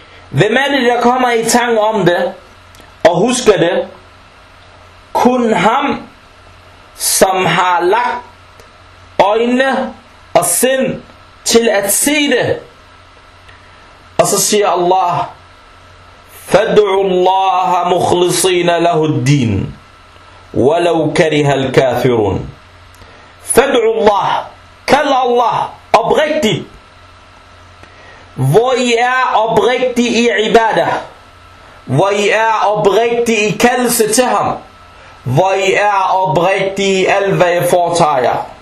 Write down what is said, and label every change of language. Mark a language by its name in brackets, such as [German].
[Danish] Hvem er det, der kommer i tanke om det og husker det? Kun ham, som har lagt øjne og sind til at se det. Og så siger Allah, [Arabic] فَدْعُوا اللَّهَ مُخْلِصِينَ لَهُ الدِّينَ وَلَوْ كَرِهَ الْكَافِرُونَ. فَدْعُوا اللَّهَ, [Danish] kald Allah oprigtigt, hvor I er oprigtige i ibadah, hvor I er oprigtige i kaldelse til ham, hvor I er oprigtige i alt, hvad I foretager.